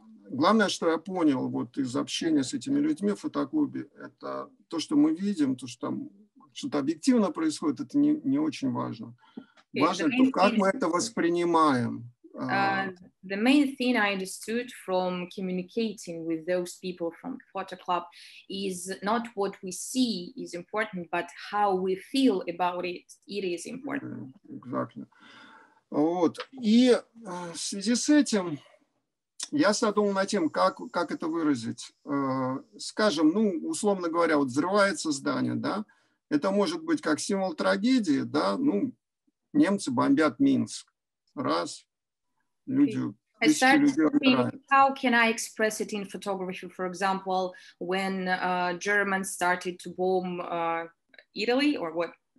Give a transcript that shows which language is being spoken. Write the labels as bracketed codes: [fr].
[ru] Главное, что я понял вот из общения с этими людьми в фотоклубе, это то, что мы видим, то, что там что-то объективно происходит, это не очень важно. Важно то, как мы это воспринимаем. [en] The main thing I understood from communicating with those people from the photo club is not what we see is important, but how we feel about it, it is important. Exactly. Вот. [ru] И в связи с этим я задумал над тем, как это выразить. Скажем, ну, условно говоря, вот взрывается здание, да? Это может быть как символ трагедии, да? Ну, немцы бомбят Минск. Раз. Люди, тысячи людей умирают. [en] How can I express it in photography? For example, when Germans started to bomb Italy, or what?